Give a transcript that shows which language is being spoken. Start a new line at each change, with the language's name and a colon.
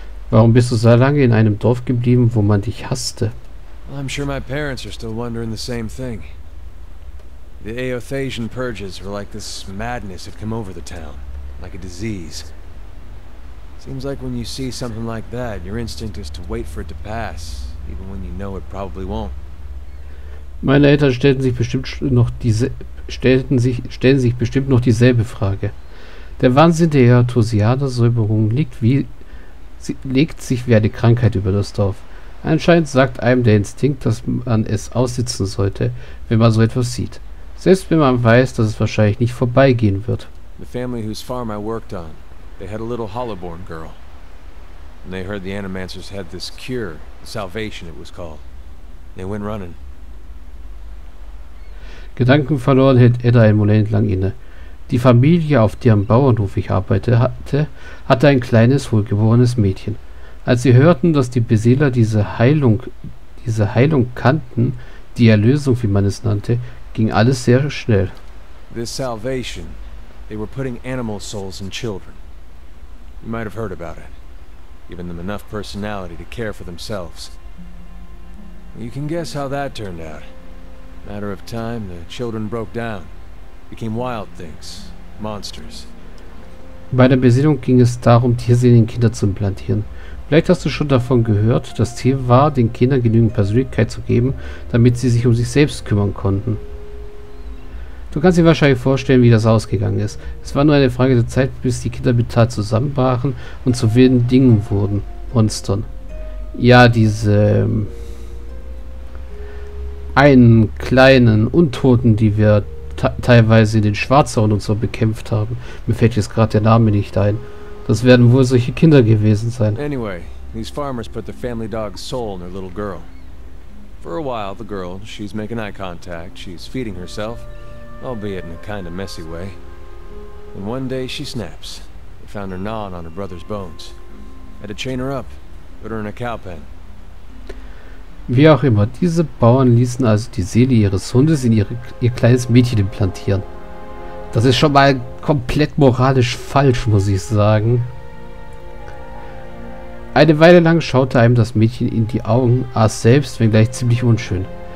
German: Warum bist du so lange in einem Dorf geblieben, wo man dich hasste?
English: I'm sure my parents are still wondering the same thing. The Aethasian purges were like this madness had come over the town, like a disease. Seems like when you see something like that, your instinct is to wait for it to pass, even when you know it probably won't.
German: Meine Eltern stellen sich bestimmt noch dieselbe Frage. Der Wahnsinn der Aethasianer-Säuberung legt sich wie eine Krankheit über das Dorf. Anscheinend sagt einem der Instinkt, dass man es aussitzen sollte, wenn man so etwas sieht. Selbst wenn man weiß, dass es wahrscheinlich nicht vorbeigehen wird.
English: The family whose farm I worked on, they had a little hollowborn girl. And they heard the Animancers had this cure, salvation it was called. They went running.
German: Gedanken verloren hält Edda einen Moment lang inne. Die Familie, auf deren Bauernhof ich arbeite, hatte ein kleines, wohlgeborenes Mädchen. Als sie hörten, dass die Beseeler diese Heilung kannten, die Erlösung, wie man es nannte, ging alles sehr schnell.
English: This salvation, they were putting animal souls in children. You might have heard about it, giving them enough personality to care for themselves. You can guess how that turned out. Matter of time, the children broke down, became wild things, monsters.
German: Bei der Besiedlung ging es darum, Tiere in den Kindern zu implantieren. Vielleicht hast du schon davon gehört, das Ziel war, den Kindern genügend Persönlichkeit zu geben, damit sie sich um sich selbst kümmern konnten. Du kannst dir wahrscheinlich vorstellen, wie das ausgegangen ist. Es war nur eine Frage der Zeit, bis die Kinder mental zusammenbrachen und zu wilden Dingen wurden, Monstern. Ja, diese einen kleinen Untoten, die wir teilweise in den Schwarzhorn und so bekämpft haben. Mir fällt jetzt gerade der Name nicht ein. Das werden wohl solche Kinder gewesen sein.
English: Anyway, these farmers put the family dog's soul in their little girl. For a while, the girl, she's making eye contact, she's feeding herself, albeit in a kind of messy way. And one day she snaps. They found her gnawing on her brother's bones. Had to chain her up, put her in a cow pen.
German: Wie auch immer, diese Bauern ließen also die Seele ihres Hundes in ihr kleines Mädchen implantieren. Das ist schon mal komplett moralisch falsch, muss ich sagen. Eine Weile lang schaute einem das Mädchen in die Augen, aß selbst, wenngleich ziemlich unschön.